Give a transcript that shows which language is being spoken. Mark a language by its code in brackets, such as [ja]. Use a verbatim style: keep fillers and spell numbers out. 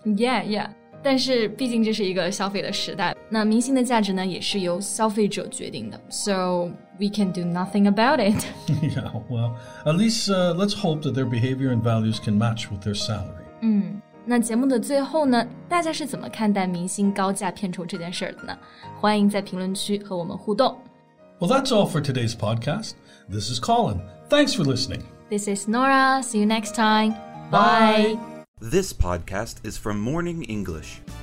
[en] Yeah, yeah. [zh] 但是毕竟这是一个消费的时代，那明星的价值呢，也是由消费者决定的。 [en] So we can do nothing about it. Yeah, well, at least、uh, let's hope that their behavior and values can match with their salary. [zh] 嗯，那节目的最后呢，大家是怎么看待明星高价片酬这件事儿的呢？欢迎在评论区和我们互动。 [en] Well, that's all for today's podcast. This is Colin. Thanks for listening. This is Nora. See you next time. Bye. Bye. This podcast is from Morning English.